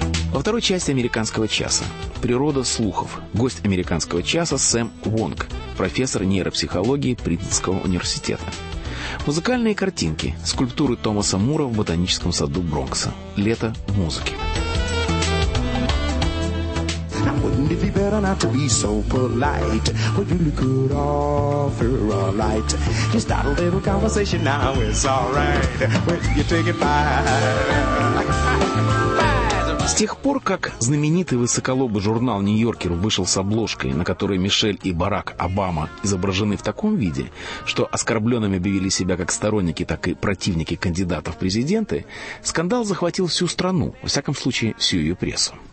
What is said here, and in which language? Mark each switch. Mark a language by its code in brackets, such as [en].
[ru] Во второй части «Американского часа» – природа слухов. Гость «Американского часа» – Сэм Вонг, профессор нейропсихологии Принстонского университета. Музыкальные картинки, скульптуры Томаса Мура в ботаническом саду Бронкса. Лето в музыке. [en] Wouldn't it be better not to be so polite? Would you look good offer a light? Just start a little conversation now, it's all right. When you take it back. [ru] С тех пор, как знаменитый высоколобый журнал «Нью-Йоркер» вышел с обложкой, на которой Мишель и Барак Обама изображены в таком виде, что оскорбленными объявили себя как сторонники, так и противники кандидатов в президенты, скандал захватил всю страну, во всяком случае, всю ее прессу.